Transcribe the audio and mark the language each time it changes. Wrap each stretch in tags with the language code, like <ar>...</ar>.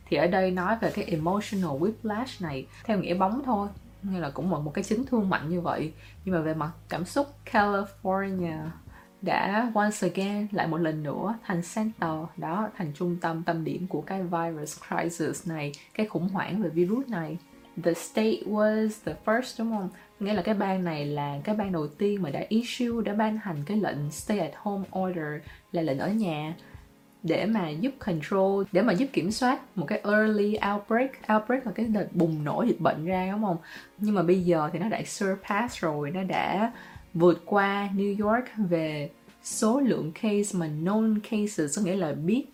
<vi>Thì ở đây nói về cái</vi> <en>emotional whiplash</en> <vi>này, theo nghĩa bóng thôi, như là cũng một cái chấn thương mạnh như vậy. Nhưng mà về mặt cảm xúc, California đã</vi> <en>once again,</en> <vi>lại một lần nữa, thành center đó, thành trung tâm, tâm điểm của cái</vi> <en>virus crisis</en> <vi>này, cái khủng hoảng về virus này.</vi> <en>The state was the first,</en> <vi>đúng không? Nghĩa là cái bang này là cái bang đầu tiên mà đã issue, đã ban hành cái lệnh</vi> <en>stay at home order,</en> <vi>là lệnh ở nhà, để mà giúp control, để mà giúp kiểm soát một cái</vi> <en>early outbreak.</en> <vi>Outbreak là cái đợt bùng nổ dịch bệnh ra, đúng không? Nhưng mà bây giờ thì nó đã</vi> <en>surpass</en> <vi>rồi, nó đã vượt qua New York về số lượng case mà</vi> <en>known cases,</en> <vi>có nghĩa là biết.</vi>